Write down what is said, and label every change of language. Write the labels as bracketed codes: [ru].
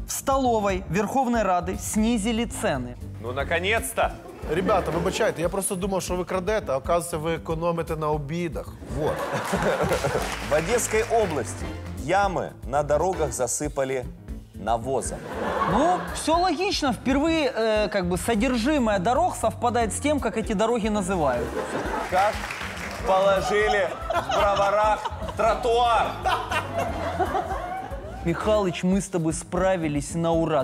[ru] В столовой Верховной Рады снизили цены. Ну, наконец-то! [uk] Ребята, вибачайте, я просто думав, що ви крадете, а оказується, ви економите на обідах. [ru] Вот. [uk] В Одеській області ями на дорогах засипали навозом. [ru] Ну, все логично. Впервые, как бы, содержимое дорог совпадает с тем, как эти дороги называют. Как положили в Броварах тротуар. Михалыч, мы с тобой справились на ура.